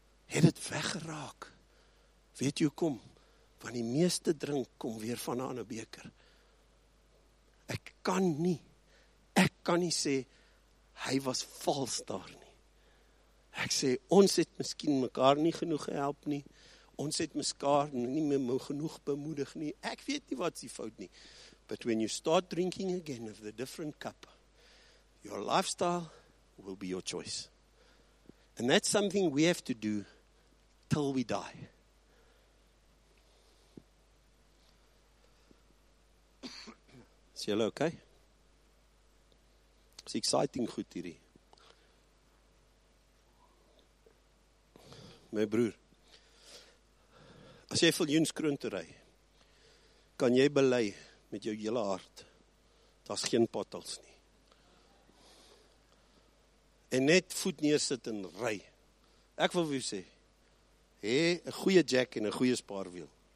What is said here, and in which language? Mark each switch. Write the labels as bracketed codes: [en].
[af] Het dit weggeraak? Weet jy hoekom? Want die meeste drink kom weer van 'n ander beker. Ek kan nie sê, hy was vals daar nie. Ek sê, ons het miskien mekaar nie genoeg gehelp nie. Ons het mekaar nie meer genoeg bemoedig nie. Ek weet nie wat is die fout nie. [en] But when you start drinking again of the different cup, your lifestyle will be your choice. And that's something we have to do till we die. [af] Is jylle okay? [en] It's exciting [af] goed hierdie. My broer, as jy Viljoenskroon toe ry, kan jy bely met jou hele hart, daar's geen potholes nie. En net voet neersit en ry. Ek wil vir jou sê, hê 'n goeie jack en 'n goeie spaarwiel.